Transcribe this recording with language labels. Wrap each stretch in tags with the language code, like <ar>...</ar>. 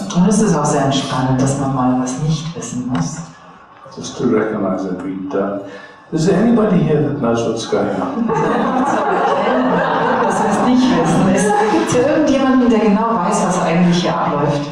<de>Und es ist auch sehr entspannend, dass man mal was nicht wissen muss.</de> <en>Just to recognize that we don't. Is there anybody here that knows what's going on?</en> <de>Das heißt nicht wissen. Es gibt irgendjemanden, der genau weiß, was eigentlich hier abläuft.</de>